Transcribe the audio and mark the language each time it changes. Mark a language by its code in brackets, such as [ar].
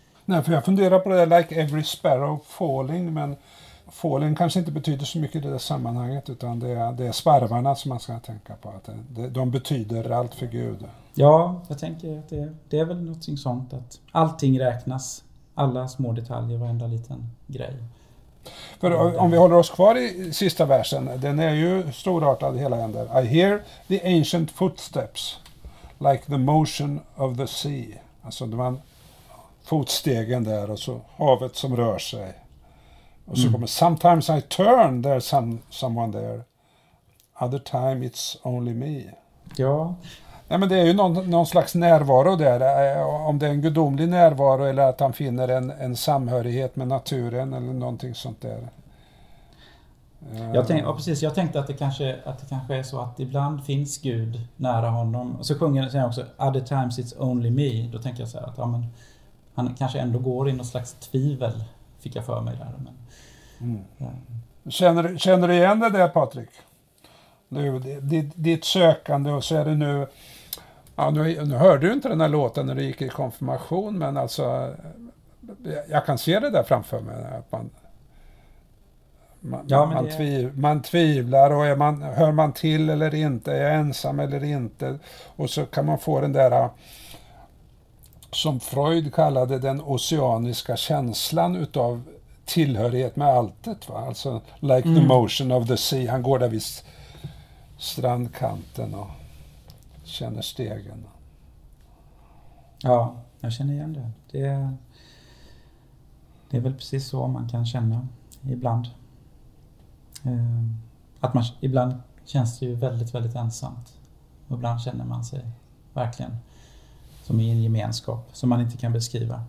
[sv] Nej, för jag funderar på det där, [en] like every sparrow falling, [sv] men falling kanske inte betyder så mycket i det sammanhanget, utan det är sparvarna som man ska tänka på, att de betyder allt för Gud. Ja, jag tänker att det är väl något sånt, att allting räknas, alla små detaljer, varenda liten grej. För om vi håller oss kvar i sista versen, den är ju storartad hela änden. [en] I hear the ancient footsteps, like the motion of the sea. [sv] Alltså det var fotstegen där, och så havet som rör sig. Och så kommer, [en] sometimes I turn, there's someone there. Other time it's only me. [sv] Ja. Nej, men det är ju någon slags närvaro där. Om det är en gudomlig närvaro, eller att han finner en samhörighet med naturen eller någonting sånt där. Jag tänkte att det kanske är så att ibland finns Gud nära honom. Och så sjunger han också, [en] other times it's only me. [sv] Då tänker jag så här att han kanske ändå går i någon slags tvivel, fick jag för mig där. Men. Känner du igen det där, Patrik? Ditt sökande, och så är det nu... Ja, nu hörde du inte den här låten när du gick i konfirmation, men alltså, jag kan se det där framför mig. Att man tvivlar, och hör man till eller inte? Är jag ensam eller inte? Och så kan man få den där, som Freud kallade, den oceaniska känslan utav tillhörighet med alltet. Va? Alltså, [en] like the motion of the sea. [sv] Han går där vid strandkanten och känner stegen. Ja, jag känner igen det. Det är väl precis så man kan känna ibland. Att man ibland känns det ju väldigt, väldigt ensamt. Och ibland känner man sig verkligen som i en gemenskap som man inte kan beskriva.